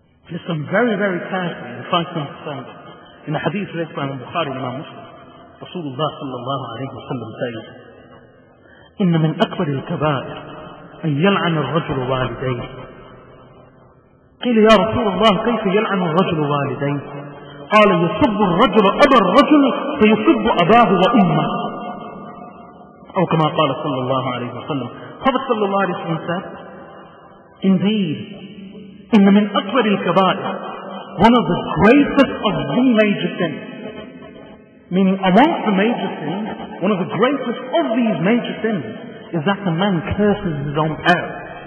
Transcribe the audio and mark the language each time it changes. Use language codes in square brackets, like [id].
[en] Listen very, very carefully and try to understand it. In the hadith raised by Imam Bukhari, Imam Muslim, Rasulullah sallallahu alayhi wa sallam says, [ar] إن من أكبر الكبائر أن يلعن الرجل والديه. قيل يا رسول الله كيف يلعن الرجل والديه؟ قال يسب الرجل أبا الرجل فيسب أباه وأمه. أو كما قال صلى الله عليه وسلم. قال صلى الله عليه وسلم [en] Indeed, [ar] إن من أكبر الكبائر [en] One of the greatest of the major sins. Meaning, amongst the major sins, one of the greatest of these major sins is that a man curses his own parents.